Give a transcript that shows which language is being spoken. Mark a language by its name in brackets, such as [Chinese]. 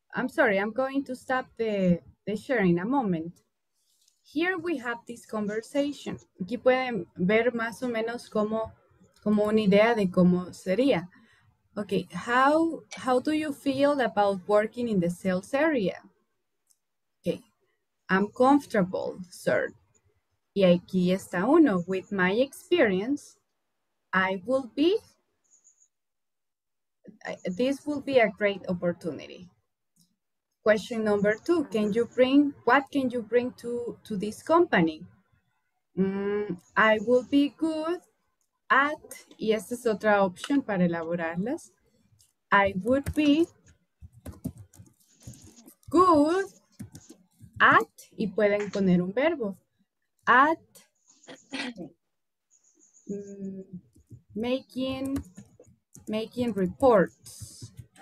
[English] I'm sorry, I'm going to stop the sharing a moment. Here we have this conversation. [Spanish] Aquí pueden ver más o menos como, como una idea de cómo sería. [English] Okay, how do you feel about working in the sales area? Okay, I'm comfortable, sir. Y aquí está uno. With my experience, I will be, this will be a great opportunity. Question number two, can you bring, what can you bring to this company? [Spanish] I will be good at, y esta es otra opción para elaborarlas. [English] I would be good at, y pueden poner un verbo, at making reports.